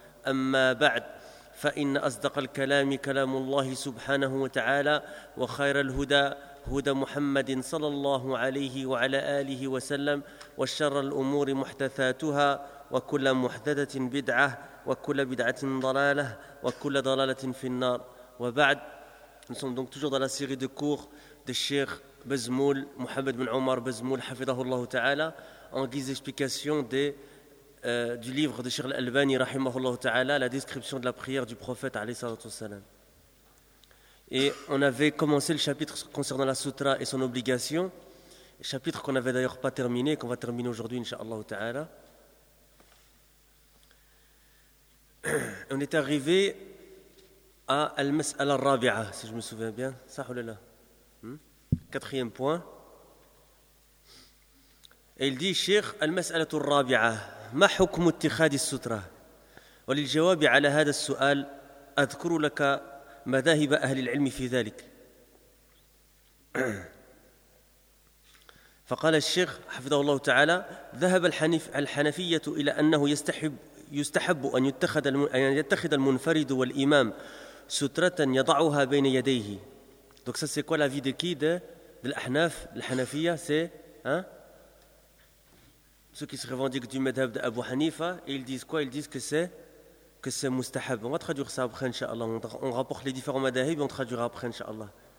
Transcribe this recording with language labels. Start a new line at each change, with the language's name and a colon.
Arabic: أما بعد، فإن أصدق الكلام كلام الله سبحانه وتعالى، وخير الهدى هدى محمد صلى الله عليه وعلى آله وسلم، وشر الأمور محدثاتها، وكل محدثة بدعة، وكل بدعة ضلالة، وكل ضلالة في النار.
French: وبعد، nous sommes donc toujours dans la série de cours de Cheikh Bazmoul, Mohamed bin Omar Bazmoul,
Arabic: حفظه تعالى,
French: en guise d'explication du livre de Cheikh Al-Albani,
Arabic: rahimahullah ta'ala,
French: la description de la prière du prophète,
Arabic: alayhi salatu wasalam.
French: Et on avait commencé le chapitre concernant la sutra et son obligation, chapitre qu'on n'avait d'ailleurs pas terminé, qu'on va terminer aujourd'hui, incha'Allah ta'ala. On est arrivé à
Arabic: al-mas'ala al-rabi'a,
French: si je me souviens bien. Sahulala. Quatrième point. Et il dit, Cheikh,
Arabic: al-mas'ala al-rabi'a, ما حكم اتخاذ السترة؟ وللجواب على هذا السؤال أذكر لك مذاهب أهل العلم في ذلك. فقال الشيخ حفظه الله تعالى: ذهب الحنفية إلى أنه يستحب أن يتخذ المنفرد والإمام سترة يضعها بين يديه.
French: Donc ça c'est quoi la vie de qui de l'Ahnaf, l'Hanafiya, c'est hein? Ceux qui se revendiquent du madhab d'Abu Hanifa, et ils disent quoi? Ils disent que c'est mustahab. On va traduire ça après, incha'Allah. On rapporte les différents madhahib et on traduira après, incha'Allah.